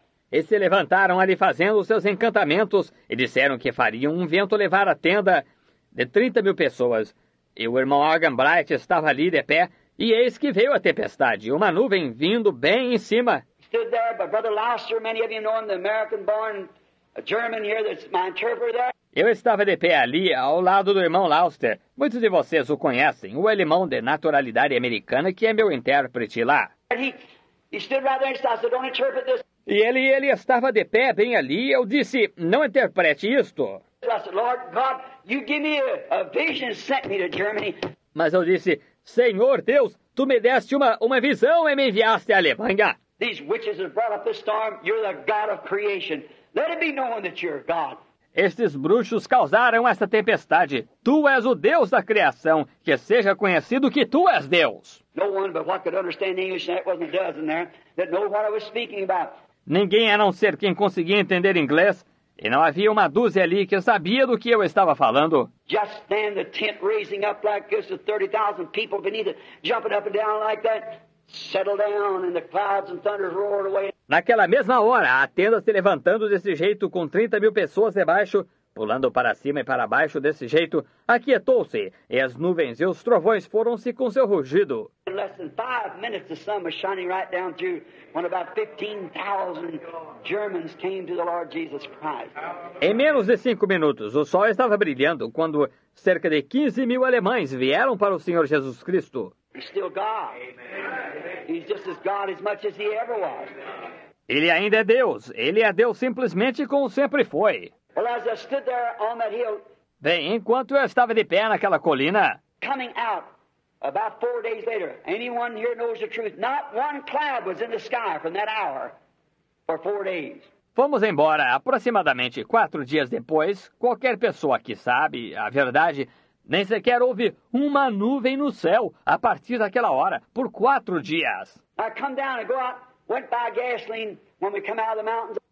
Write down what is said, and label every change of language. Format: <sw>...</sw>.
<pt>E se levantaram ali fazendo os seus encantamentos e disseram que fariam um vento levar a tenda de 30 mil pessoas. E o irmão Argenbright estava ali de pé e eis que veio a tempestade, uma nuvem vindo bem em cima.</pt> <en>Stood there, but Brother Lauster, many of you know him, the American-born German here, that's my interpreter there.</en> <pt>Eu estava de pé ali, ao lado do irmão Lauster. Muitos de vocês o conhecem, o alemão de naturalidade americana, que é meu intérprete lá.</pt> <en>He stood right there and said, so don't interpret this.</en> <pt>E ele estava de pé bem ali, eu disse, não interprete isto.</pt> <en>I said, Lord God, you give me a vision sent me to Germany.</en> <pt>Mas eu disse, Senhor Deus, Tu me deste uma visão e me enviaste à Alemanha.</pt> <en>These witches have brought up this storm. You're the God of creation. Let it be known that you're God.</en> <pt>Estes bruxos causaram essa tempestade. Tu és o Deus da criação. Que seja conhecido que Tu és Deus.</pt> <en>No one but what could understand English, that wasn't a dozen there, that know what I was speaking about.</en> <pt>Ninguém a não ser quem conseguia entender inglês. E não havia uma dúzia ali que sabia do que eu estava falando.</pt> <en>Just stand the tent raising up like this, with 30,000 people beneath it, jumping up and down like that. Settle down, and the clouds and thunders roared away.</en> <pt>Naquela mesma hora, a tenda se levantando desse jeito, com 30 mil pessoas debaixo, pulando para cima e para baixo desse jeito, aquietou-se, e as nuvens e os trovões foram-se com seu rugido.</pt> <en>In less than 5 minutes, the sun was shining right down through when about 15,000 Germans came to the Lord Jesus Christ.</en> <pt>Em menos de 5 minutos, o sol estava brilhando quando cerca de 15 mil alemães vieram para o Senhor Jesus Cristo.</pt> <en>He's still God. Amen. He's just as God as much as he ever was.</en> <pt>Ele ainda é Deus. Ele é Deus simplesmente como sempre foi.</pt> <en>Well, as I stood there on that hill,</en> <pt>bem, enquanto eu estava de pé naquela colina,</pt> <en>coming out About 4 days later, anyone here knows the truth. Not one cloud was in the sky from that hour for 4 days.</en> <pt>Fomos embora aproximadamente 4 dias depois. Qualquer pessoa que sabe a verdade, nem sequer houve uma nuvem no céu a partir daquela hora, por 4 dias.</pt> <en>I come down and go out, went by gasoline when we come out of the mountains.</en>